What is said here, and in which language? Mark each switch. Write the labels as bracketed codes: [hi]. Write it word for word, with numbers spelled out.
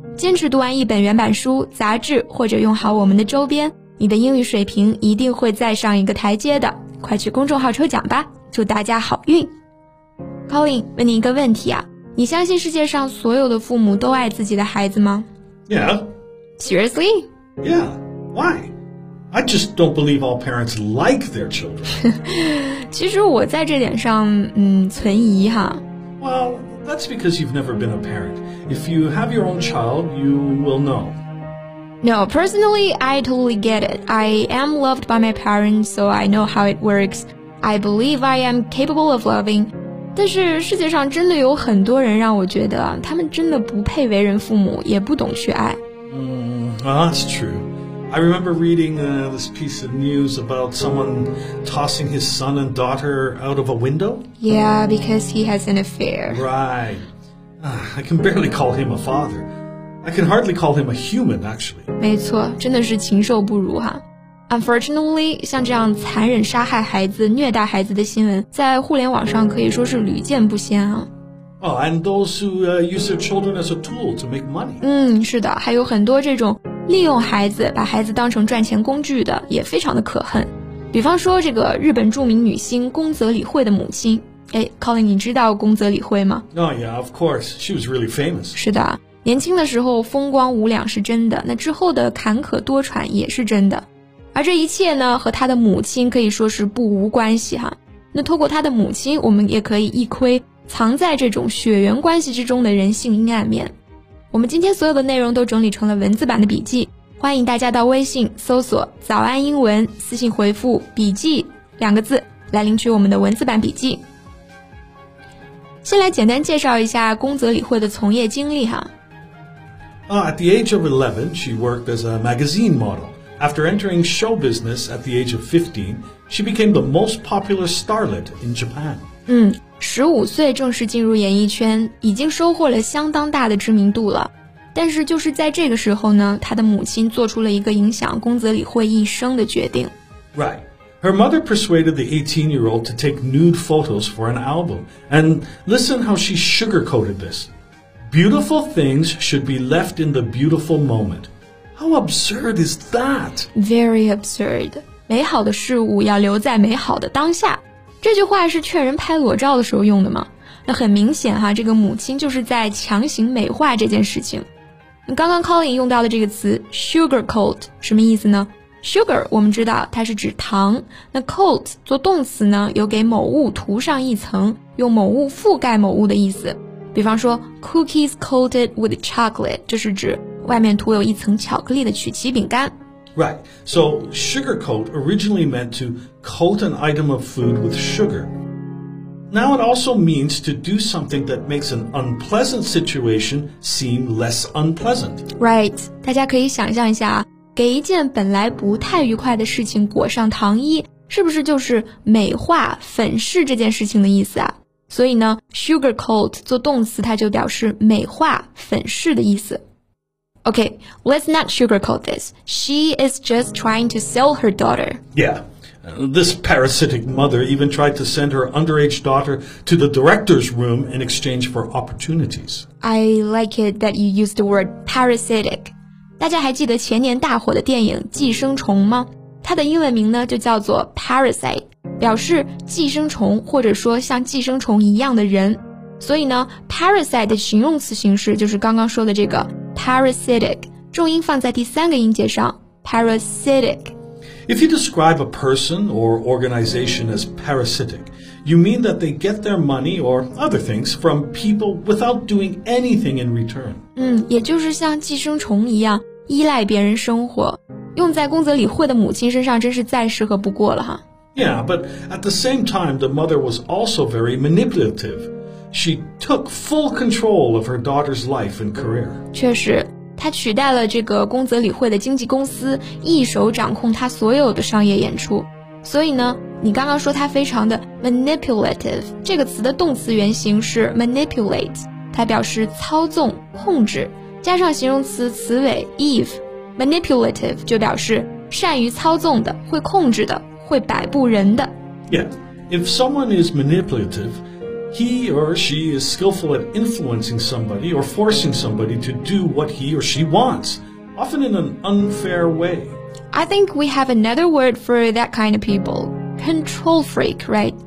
[zh] 坚持读完一本原版书、杂志，或者用好我们的周边，你的英语水平一定会再上一个台阶的。快去公众号抽奖吧，祝大家好运。Colin， 问你一个问题啊，你相信世界上所有的父母都爱自己的孩子吗？ [en] Yeah. Seriously? Yeah. Why? I just don't believe all parents like their children. [zh] 其实我在这点上嗯存疑哈。 [en] Well, that's because you've never been a parent. If you have your own child, you will know. No, personally, I totally get it. I am loved by my parents, so I know how it works. I believe I am capable of loving. [zh] 但是世界上真的有很多人让我觉得他们真的不配为人父母，也不懂去爱。 [en] Mm, well, that's true. I remember reading uh, this piece of news about someone tossing his son and daughter out of a window. Yeah, because he has an affair. Right. Uh, I can barely call him a father. I can hardly call him a human, actually. [zh] 没错，真的是禽兽不如哈。 [en] Unfortunately， [zh] 像这样残忍杀害孩子、虐待孩子的新闻，在互联网上可以说是屡见不鲜啊。 [en] Oh, and those who uh, use their children as a tool to make money. [zh] 嗯，是的，还有很多这种利用孩子把孩子当成赚钱工具的也非常的可恨。比方说这个日本著名女星宫泽理惠的母亲。诶 Colin， 你知道宫泽理惠吗？ [en] Oh yeah, of course. She was really famous. [zh] 是的，年轻的时候风光无两是真的，那之后的坎坷多舛也是真的。而这一切呢和她的母亲可以说是不无关系哈。那透过她的母亲，我们也可以一窥藏在这种血缘关系之中的人性阴暗面。我们今天所有的内容都整理成了文字版的笔记，欢迎大家到微信搜索早安英文，私信回复笔记两个字来领取我们的文字版笔记。先来简单介绍一下宫泽理惠的从业经历哈。 [en] Uh, at the age of eleven, she worked as a magazine model. After entering show business at the age of fifteen, she became the most popular starlet in Japan. [zh] 嗯。十五岁正式进入演艺圈，已经收获了相当大的知名度了。但是就是在这个时候呢，她的母亲做出了一个影响宫泽理惠一生的决定。 [en] Right. Her mother persuaded the eighteen-year-old to take nude photos for an album. And listen how she sugarcoated this. Beautiful things should be left in the beautiful moment. How absurd is that? Very absurd. [zh] 美好的事物要留在美好的当下。这句话是劝人拍裸照的时候用的嘛？那很明显哈，这个母亲就是在强行美化这件事情。刚刚 Colin 用到的这个词 sugarcoat 什么意思呢？ Sugar 我们知道它是指糖，那 coat 做动词呢，有给某物涂上一层，用某物覆盖某物的意思。比方说 [en] cookies coated with chocolate， [zh] 这是指外面涂有一层巧克力的曲奇饼干。 [en] Right. So, sugarcoat originally meant to coat an item of food with sugar. Now it also means to do something that makes an unpleasant situation seem less unpleasant. Right. [zh] 大家可以想象一下啊，给一件本来不太愉快的事情裹上糖衣，是不是就是美化、粉饰这件事情的意思啊？所以呢 ，sugarcoat 做动词，它就表示美化、粉饰的意思。 [en] Okay, let's not sugarcoat this. She is just trying to sell her daughter. Yeah, uh, this parasitic mother even tried to send her underage daughter to the director's room in exchange for opportunities. I like it that you used the word parasitic. [zh] 大家还记得前年大火的电影《寄生虫》吗？它的英文名呢就叫做 Parasite， 表示寄生虫或者说像寄生虫一样的人。所以呢 ，parasite 的形容词形式就是刚刚说的这个。 Parasitic 重音放在第三个音节上 Parasitic [en] If you describe a person or organization as parasitic, you mean that they get their money or other things from people without doing anything in return. [zh] 嗯，也就是像寄生虫一样依赖别人生活，用在宫泽理惠的母亲身上真是再适合不过了哈。 [en] Yeah, but at the same time, the mother was also very manipulative. she took full control of her daughter's life and career. [zh] 确实，她取代了这个宫泽理惠的经纪公司，一手掌控她所有的商业演出。所以呢，你刚刚说她非常的 manipulative， 这个词的动词原形是 manipulate， 它表示操纵、控制，加上形容词词尾 eve， manipulative 就表示善于操纵的、会控制的、会摆布人的。 [en] Yeah, if someone is manipulative, he or she is skillful at influencing somebody or forcing somebody to do what he or she wants, often in an unfair way. I think we have another word for that kind of people. Control freak, right?